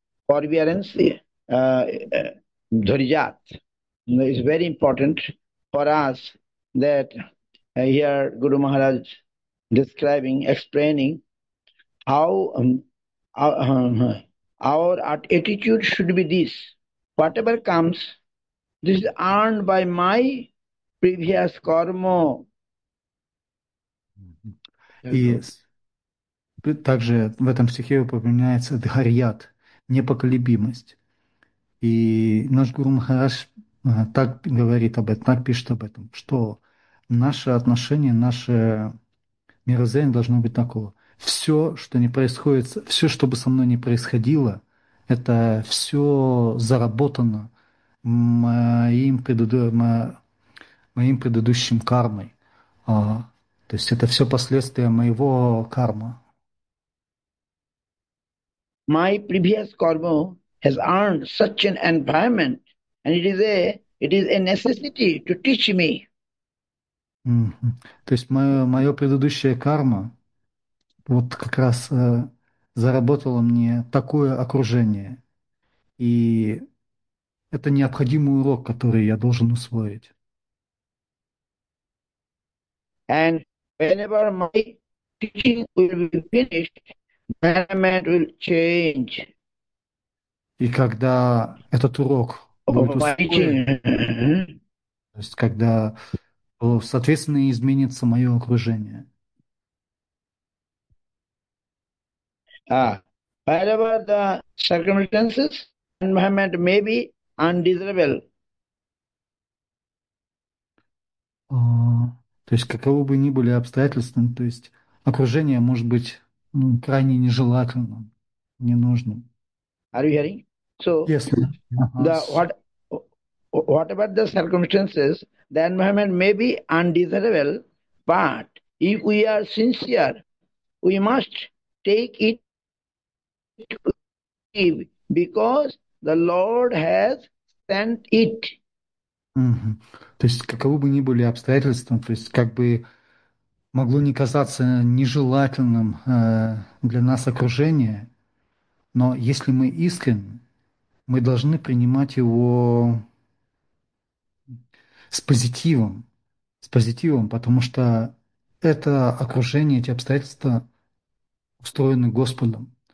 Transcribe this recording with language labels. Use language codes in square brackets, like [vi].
[en] Forbearance, dharijat, is very important for us that here Guru Maharaj describing, explaining how our attitude should be this. Whatever comes, this is earned by my previous karma. [ru] И также в этом стихе упоминается дхарьят, непоколебимость. И наш Гуру Махарадж так говорит об этом, так пишет об этом, что наше отношение, наше мировоззрение должно быть такого. Все, что не происходит, все, что бы со мной не происходило, это все заработано моим предыдущим кармой. То есть это все последствия моего кармы. [en] My previous karma has earned such an environment, and it is a necessity to teach me. [ru] То есть моя предыдущая карма вот как раз заработала мне такое окружение. И это необходимый урок, который я должен усвоить. [en] And whenever my teaching will be finished, environment will change. [ru] И когда этот урок будет усвоен, то есть когда, соответственно, изменится мое окружение. [en] Wherever the circumstances, environment may be undesirable. [ru] То есть каковы бы ни были обстоятельства, то есть окружение может быть, ну, крайне нежелательным, ненужным. [en] Are you hearing? So, [ru] Ясно. [en] whatever the circumstances, the environment may be undesirable, but if we are sincere, we must take it because the Lord has sent it. [ru] То есть, каковы бы ни были обстоятельства, то есть, как бы могло не казаться нежелательным для нас окружение, но если мы искренны, мы должны принимать его с позитивом, потому что это окружение, эти обстоятельства устроены Господом.